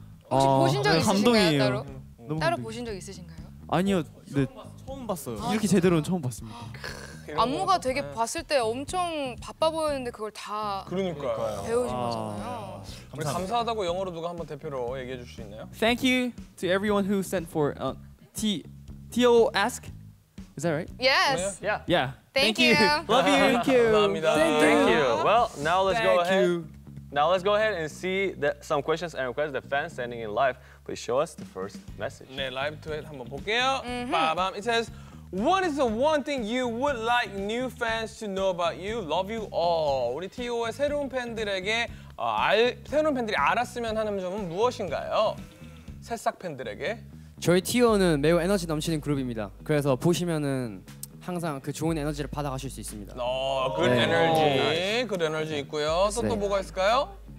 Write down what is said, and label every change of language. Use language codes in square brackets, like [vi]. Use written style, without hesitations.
[ko] 혹시 보신 적 있으신가요 따로? 따로 감동. 보신 적 있으신가요? 아니요 처음, 네. 봤, 처음 봤어요 이렇게 제대로는 처음 봤습니다 안무가 되게 봤을 때 엄청 바빠 보였는데 그걸 다 그러니까요. 배우신 거잖아요 우리 감사하다고 영어로 누가 한번 대표로 얘기해 줄 수 있나요? [en] Thank you to everyone who sent for T.O. Ask Is that right? Yes. Yeah. Yeah. Thank you. Love you. Thank you. [ko] 감사합니다. [en] Thank you. Well, now let's go ahead. Now let's go ahead and see that some questions and requests the fans sending in live. Please show us the first message. [ko] 네, 라이브 트윗 한번 볼게요. [en] Mm-hmm. Bam. It says, "What is the one thing you would like new fans to know about you? Love you all." [ko] 우리 T.O.의 새로운 팬들에게 새로운 팬들이 알았으면 하는 점은 무엇인가요? 새싹 팬들에게. 저희 T.O.는 매우 에너지 넘치는 그룹입니다. 그래서 보시면은 항상 그 좋은 에너지를 받아가실 수 있습니다. 오, 굿 네. 에너지. 굿 에너지 있고요. 또 네. 또 뭐가 있을까요?